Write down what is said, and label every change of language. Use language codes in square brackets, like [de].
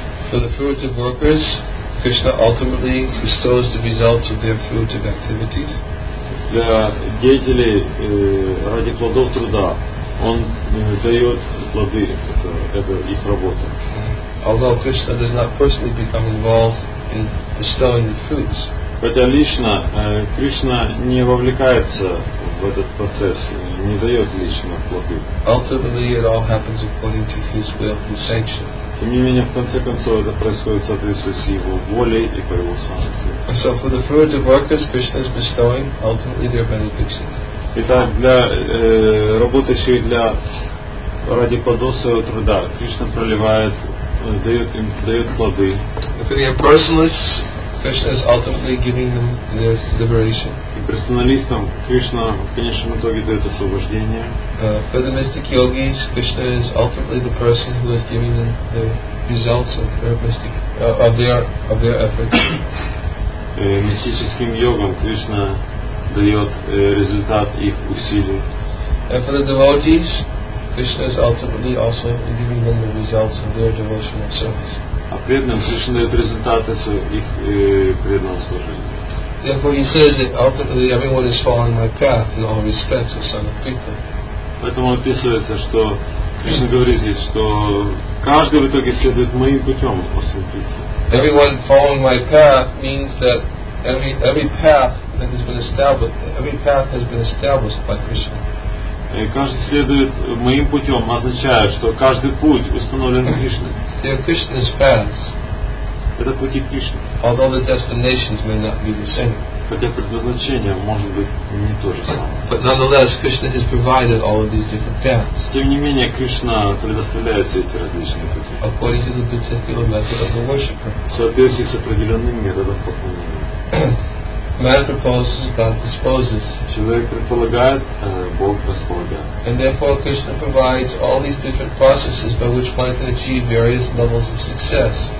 [en] For the fruit of workers, Krishna ultimately bestows the results of their fruit of activities. [ru] Для деятелей ради плодов труда, Он дает плоды, это их работа. [en] Although Krishna does not personally become involved in bestowing the fruits. [ru] Хотя лично Кришна не вовлекается в этот процесс, не дает лично плоды. [en] Ultimately, it all happens according to His will, His sanction. [ru] Тем не менее, в конце концов, это происходит в соответствии с Его волей и по Его санкции. [en] So for the fruit of workers, Krishna is bestowing ultimately their benediction. [ru] Итак, для работающих для ради плодов своего труда Кришна проливает, дает им, дает плоды. [en] If they are personalists, Krishna is ultimately giving them their liberation. [ru] И персоналистам Кришна в конечном итоге дает освобождение. [en] For the mystic yogis, Krishna is ultimately the person who is giving them the results of their mystic of their efforts. [ru] Мистическим йогам Кришна дает результат их усилий. [en] And for the devotees, Krishna is ultimately also giving them the results of their devotional service. [ru] а преданным Кришна дает результаты их преданного служения. [en] Therefore he says that ultimately everyone is following my path in all respects of Sanat Krita. [ru] Поэтому описывается, что Кришна говорит здесь, что каждый в итоге следует моим путем по санкрите. [en] Everyone following my path means that every path that has been established, every path has been established by Krishna. [ru] И каждый следует моим путем означает, что каждый путь установлен Кришной. [en] They are Krishna's paths. [ru] Это пути Кришны. [en] Although the destinations may not be the same. [ru] Хотя предназначение может быть не то же самое. [en] But nonetheless, Krishna has provided all of these different paths. [ru] Тем не менее, Кришна предоставляет все эти различные пути. [en] According to the particular method of the worshipper. [ru] В соответствии с определенным методом поклонения. [en] Man proposes, God disposes. [ru] Человек предполагает, Бог располагает. [en] And therefore, Krishna provides all these different processes by which one can achieve various levels of success.